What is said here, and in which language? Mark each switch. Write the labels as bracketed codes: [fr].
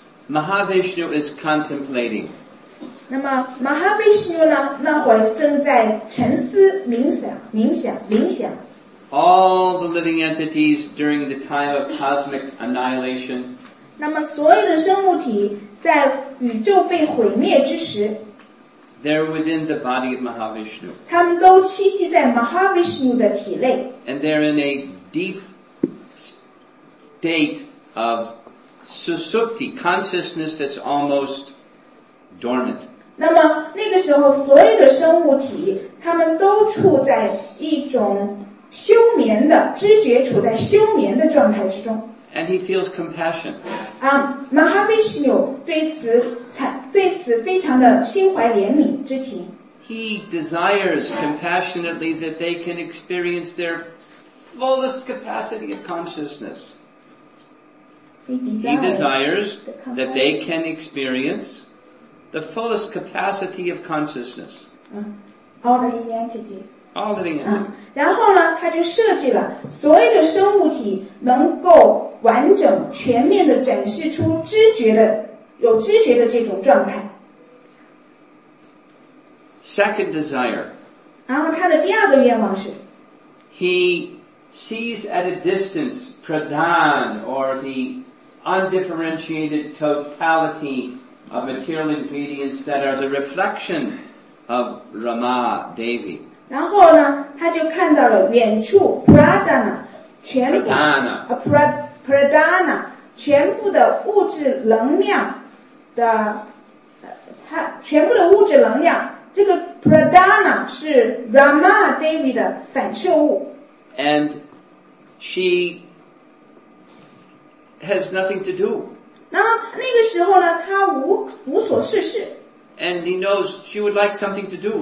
[en] Mahavishnu is contemplating [zh] 那么 Mahavishnu 呢那会正在沉思冥想 [en] all the living entities during the time of cosmic annihilation. [zh] 那么所有的生物体在宇宙被毁灭之时 [en] they're within the body of Mahavishnu. [zh] 他们都栖息在 Mahavishnu 的体内 [en] And they're in a deep state of susupti, consciousness that's almost dormant. [zh] 那么那个时候所有的生物体他们都处在一种休眠的知觉处在休眠的状态之中 [en] And he feels compassion. [zh] Mahavishnu 对此非常的心怀怜悯之情 [en] He desires compassionately that they can experience their fullest capacity of consciousness. He desires that they can experience the fullest capacity of consciousness. All living entities. All living entities. [zh] 然后呢他就设计了所有的生物体能够完整全面地展示出知觉的有知觉的这种状态。 [en] Second desire. [zh] 然后他的第二个愿望是 [en] He sees at a distance Pradhan or the undifferentiated totality of material ingredients that are the reflection of Rama Devi. [zh] 然后呢他就看到了远处 Pradhana 全部 Pradhana、 Pradhana 全部的物质能量的他全部的物质能量这个 Pradhana 是 Rama Devi 的反射物 [en] And she has nothing to do [zh] 然后那个时候呢他 无所事事 [en] And he knows she would like something to do.